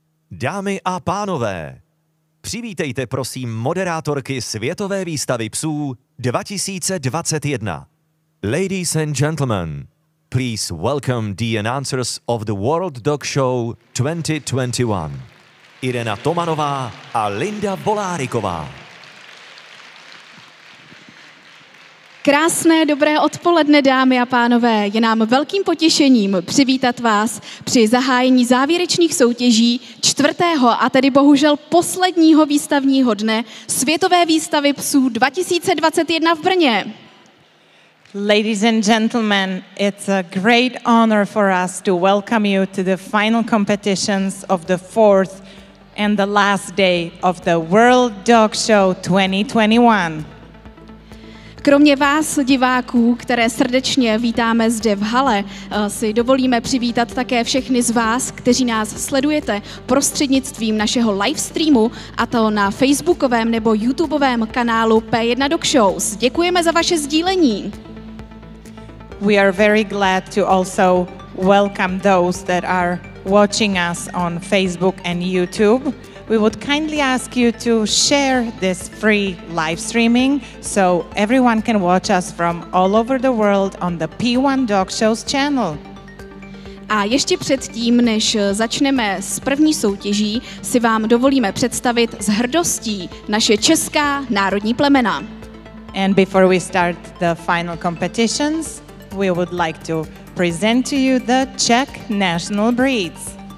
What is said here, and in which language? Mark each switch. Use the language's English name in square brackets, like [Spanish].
[Czech] Dámy a pánové, přivítejte prosím moderátorky Světové výstavy psů 2021. [English] Ladies and gentlemen, please welcome the announcers of the World Dog Show 2021. [Czech] Irena Tomanová a Linda Voláriková. Krásné dobré odpoledne, dámy a pánové. Je nám velkým potěšením přivítat vás při zahájení závěrečných soutěží 4. a tedy bohužel posledního výstavního dne Světové výstavy psů 2021 v Brně. [English] Ladies and gentlemen, it's a great honor for us to welcome you to the final competitions of the 4th and the last day of the World Dog Show 2021. [Czech] Kromě vás, diváků, které srdečně vítáme zde v hale, si dovolíme přivítat také všechny z vás, kteří nás sledujete prostřednictvím našeho live streamu, a to na facebookovém nebo youtubeovém kanálu P1 Dog Shows. Děkujeme za vaše sdílení. [English] We are very glad to also welcome those that are watching us on Facebook and YouTube. We would kindly ask you to share this free live streaming so everyone can watch us from all over the world on the P1 Dog Shows channel. [Czech] A ještě předtím, než začneme s první soutěží, si vám dovolíme představit s hrdostí naše česká národní plemena. [English] And before we start the final competitions, we would like to present to you the Czech national breeds.